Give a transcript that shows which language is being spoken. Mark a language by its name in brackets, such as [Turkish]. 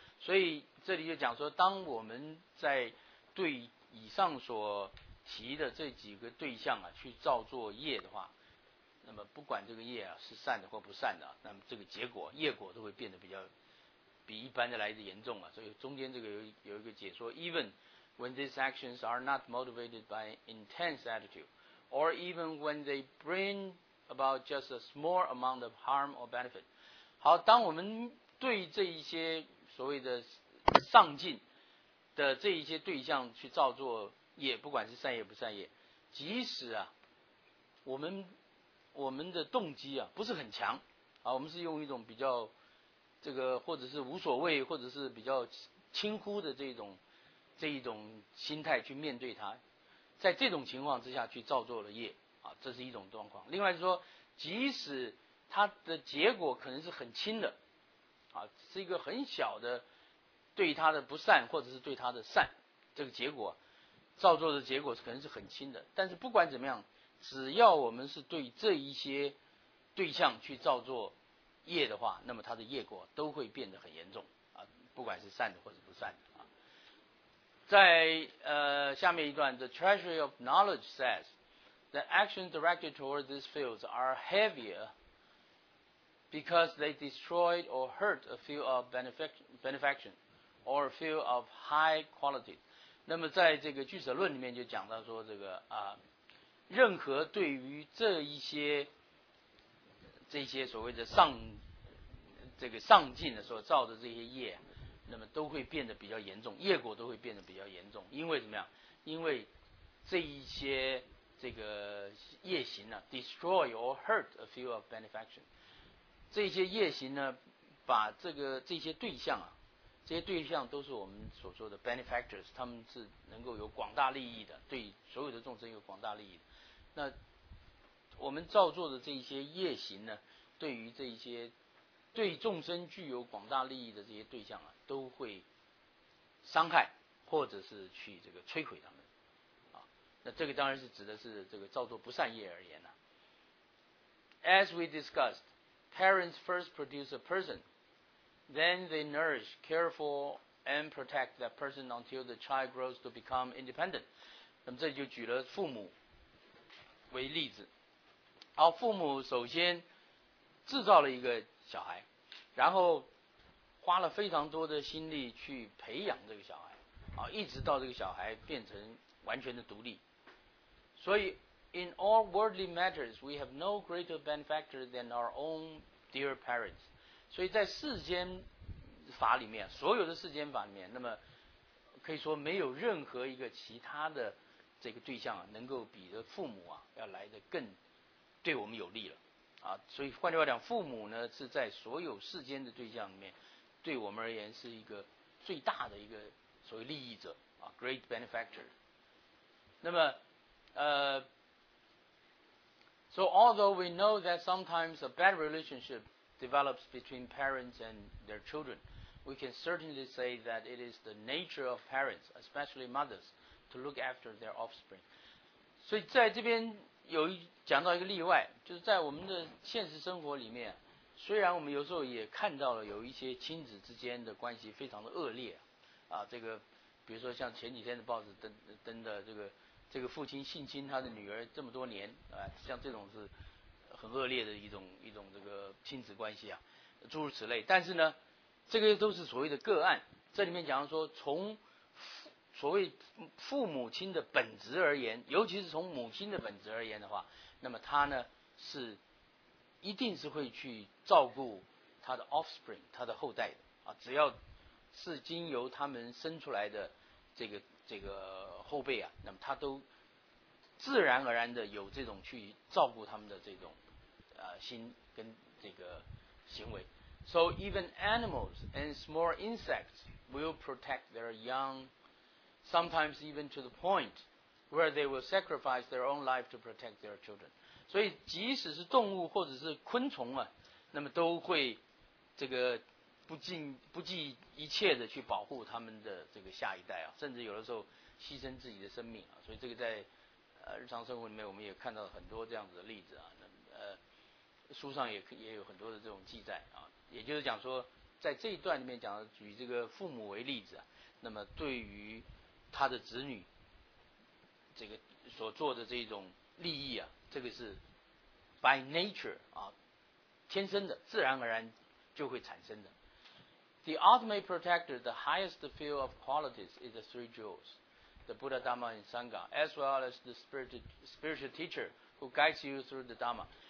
[Chinese] 所以这里就讲说，当我们在对以上所提的这几个对象啊去造作业的话，那么不管这个业啊是善的或不善的，那么这个结果业果都会变得比较比一般的来的严重啊。所以中间这个有一个解说， [English] even when these actions are not motivated by intense attitude or even when they bring about just a small amount of harm or benefit。 [Chinese] 好，当我们对这一些所谓的上进的这一些对象去造作业，不管是善业不善业，即使啊我们的动机啊不是很强啊，我们是用一种比较这个或者是无所谓或者是比较轻忽的这一种心态去面对它，在这种情况之下去造作了业啊，这是一种状况。另外是说，即使它的结果可能是很轻的啊，是一个很小的对他的不善或者是对他的善，这个结果造作的结果可能是很轻的，但是不管怎么样，只要我们是对这一些对象去造作业的话，那么他的业果都会变得很严重啊，不管是善的或者不善的啊。在下面一段 [English] The treasury of knowledge says the actions directed towards these fields are heavierbecause they destroyed or hurt a few of benefaction or a few of high quality。 [Chinese] 那么在这个俱舍论里面就讲到说，这个任何对于这些所谓的上进的时候造的这些业，那么都会变得比较严重，业果都会变得比较严重。因为怎么样？因为这一些这个业行啊 [English] destroy or hurt a few of benefaction， [Chinese] 这些业行呢，把这些对象啊，这些对象都是我们所说的 benefactors， 他们是能够有广大利益的，对所有的众生有广大利益的。那我们造作的这些业行呢，对于这些对众生具有广大利益的这些对象啊，都会伤害或者是去这个摧毁他们啊。那这个当然是指的是这个造作不善业而言呢、啊。 [English] As we discussed. Parents first produce a person, then they nourish, care for, and protect that person until the child grows to become independent. [Chinese] 那么这就举了父母为例子。好，父母首先制造了一个小孩，然后花了非常多的心力去培养这个小孩，好，一直到这个小孩变成完全的独立。所以 [English] In all worldly matters, we have no greater benefactor than our own dear parents. [Chinese] 所以在世间法里面，所有的世间法里面，那么可以说没有任何一个其他的这个对象、啊、能够比的父母啊要来的更对我们有利了啊。所以换句话讲，父母呢是在所有世间的对象里面，对我们而言是一个最大的一个所谓利益者啊 ， [English] great benefactor。 [Chinese] 那么 [English] So although we know that sometimes a bad relationship develops between parents and their children, we can certainly say that it is the nature of parents, especially mothers, to look after their offspring. [Chinese] 所以在这边有讲到一个例外，就是在我们的现实生活里面，虽然我们有时候也看到了有一些亲子之间的关系非常的恶劣啊，这个比如说像前几天的报纸登的这个父亲性侵他的女儿这么多年啊，像这种是很恶劣的一种这个亲子关系啊，诸如此类。但是呢，这个都是所谓的个案。这里面讲说，从所谓父母亲的本质而言，尤其是从母亲的本质而言的话，那么他呢是一定是会去照顾他的 offspring， 他的后代的啊。只要是经由他们生出来的这个后辈啊，那么他都自然而然的有这种去照顾他们的这种心跟这个行为。 [English] So even animals and small insects will protect their young, sometimes even to the point where they will sacrifice their own life to protect their children. [Chinese] 所以即使是动物或者是昆虫啊，那么都会这个不计一切的去保护他们的这个下一代啊，甚至有的时候牺牲自己的生命啊。所以这个在日常生活里面我们也看到很多这样子的例子啊，那书上也有很多的这种记载啊。也就是讲说在这一段里面讲的举这个父母为例子啊，那么对于他的子女这个所做的这种利益啊，这个是 [English] by nature [Chinese] 啊，天生的自然而然就会产生的。 [English] The ultimate protector, the highest field of qualities is the three jewels, the Buddha, Dhamma, and Sangha, as well as the spiritual teacher who guides you through the Dhamma.